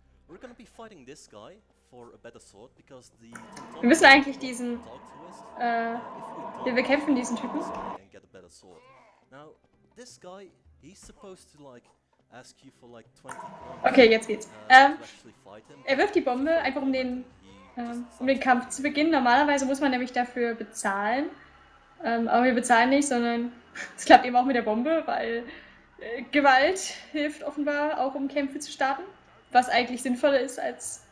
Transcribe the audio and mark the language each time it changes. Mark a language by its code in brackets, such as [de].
[en] We're gonna be fighting this guy for a better sword because the... [de] Wir müssen eigentlich diesen, wir bekämpfen diesen Typen. [en] And get a better sword. Now, this guy, he's supposed to like, ask you for like 20 points. [de] Okay, jetzt geht's. Er wirft die Bombe, einfach um den Kampf zu beginnen. Normalerweise muss man nämlich dafür bezahlen. Aber wir bezahlen nicht, sondern es klappt eben auch mit der Bombe, weil... Gewalt hilft offenbar auch, um Kämpfe zu starten, was eigentlich sinnvoller ist als...